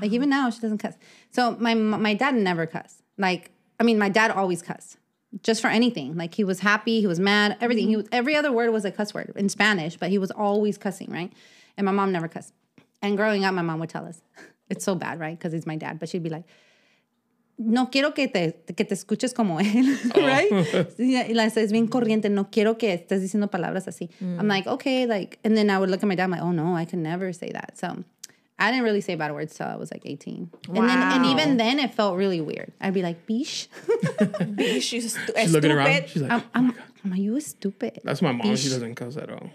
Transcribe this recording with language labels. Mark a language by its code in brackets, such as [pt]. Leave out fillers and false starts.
[en] Like, even now, she doesn't cuss. So my dad never cussed. Like, I mean, my dad always cussed. Just for anything. Like, he was happy, he was mad, everything. Mm-hmm. Every other word was a cuss word in Spanish, but he was always cussing, right? And my mom never cussed. And growing up, my mom would tell us, it's so bad, right? Because he's my dad. But she'd be like, [es] no quiero que te escuches como él, [en] right? Like, [es] es bien corriente. No quiero que estés diciendo palabras así. [en] I'm like, okay, like, and then I would look at my dad, I'm like, oh no, I could never say that. So I didn't really say bad words till I was like 18. Wow. And even then, it felt really weird. I'd be like, bish. Bish, you stupid. She's looking around. She's like, Am I you stupid? That's my mom. Bish. She doesn't cuss at all.